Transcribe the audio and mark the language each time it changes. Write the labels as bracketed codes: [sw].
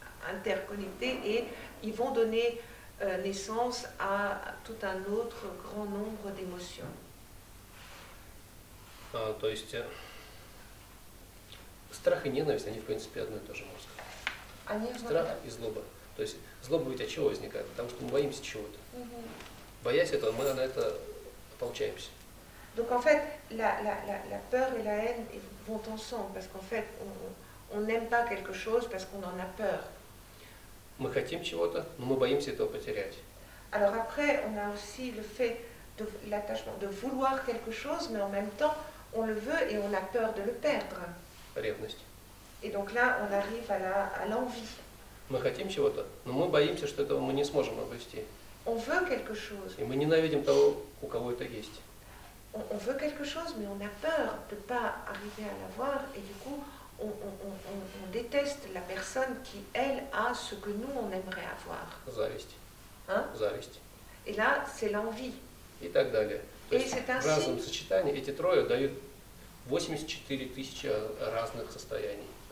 [fr] interconnectés et ils vont donner naissance à tout un autre grand nombre d'émotions. [ru] То есть страх и ненависть, они в принципе одно и то же, можно сказать. Страх и злоба. То есть злоба ведь от чего возникает? Потому что мы боимся чего-то. Боясь этого, мы на это получаемся. [fr] Donc en fait, la peur et la haine vont ensemble, parce qu'en fait, on n'aime pas quelque chose parce qu'on en a peur. [ru] Мы хотим чего-то, но мы боимся этого потерять. [fr] Alors après, on a aussi le fait de l'attachement, de vouloir quelque chose, mais en même temps, on le veut et on a peur de le perdre. [ru] Ревность. [fr] Et donc là, on arrive à l'envie. [ru] Мы хотим чего-то, но мы боимся, что этого мы не сможем обрести. [fr] On veut quelque chose. [ru] И мы ненавидим того, у кого это есть. [fr] On veut quelque chose, mais on a peur de ne pas arriver à l'avoir, et du coup, on déteste la personne qui, elle, a ce que nous, on aimerait avoir. [ru] Зависть. Hein? Зависть. [fr] Et là, c'est l'envie. [ru] И так далее. [fr] То et c'est ainsi. [ru] В разном сочетании эти трое дают 84 тысячи разных состояний.